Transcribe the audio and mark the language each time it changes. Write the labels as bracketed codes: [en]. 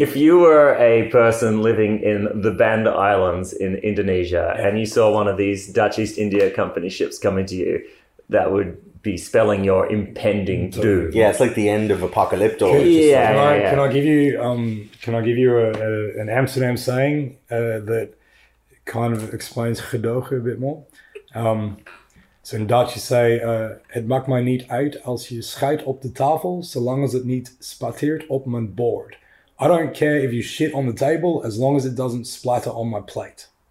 [en] If you were a person living in the Banda Islands in Indonesia and you saw one of these Dutch East India Company ships coming to you, that would be spelling your impending doom. Yeah, it's like the end of Apocalypto. Can I give you an Amsterdam saying that kind of explains gedogen a bit more? So in Dutch you say, [nl] het maakt mij niet uit als je schijt op de tafel, [en] so long as it [nl] niet spatteert op mijn bord. [en] I don't care if you shit on the table, as long as it doesn't splatter on my plate.